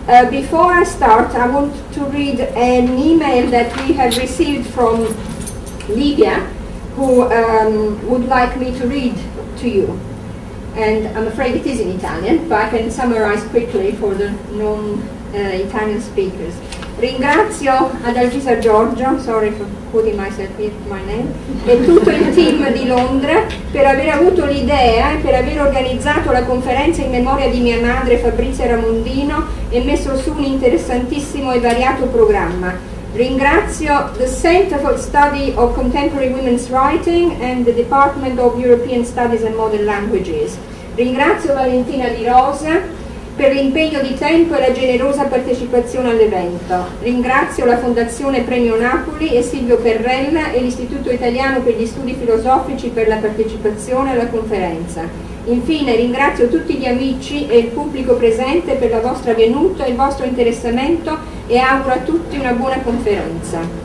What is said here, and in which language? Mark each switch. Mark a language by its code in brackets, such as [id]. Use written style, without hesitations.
[en] Before I start, I want to read an email that we have received from Lydia, who would like me to read to you. And I'm afraid it is in Italian, but I can summarize quickly for the non-Italian speakers. [it] Ringrazio Adelgisa Giorgio, [en] sorry for putting myself in my name, [it] e tutto il team di Londra per aver avuto l'idea e per aver organizzato la conferenza in memoria di mia madre Fabrizia Ramondino e messo su un interessantissimo e variato programma. Ringrazio [en] the Center for Study of Contemporary Women's Writing and the Department of European Studies and Modern Languages. [it] Ringrazio Valentina Di Rosa per l'impegno di tempo e la generosa partecipazione all'evento. Ringrazio la Fondazione Premio Napoli e Silvio Perrella e l'Istituto Italiano per gli Studi Filosofici per la partecipazione alla conferenza. Infine ringrazio tutti gli amici e il pubblico presente per la vostra venuta e il vostro interessamento e auguro a tutti una buona conferenza.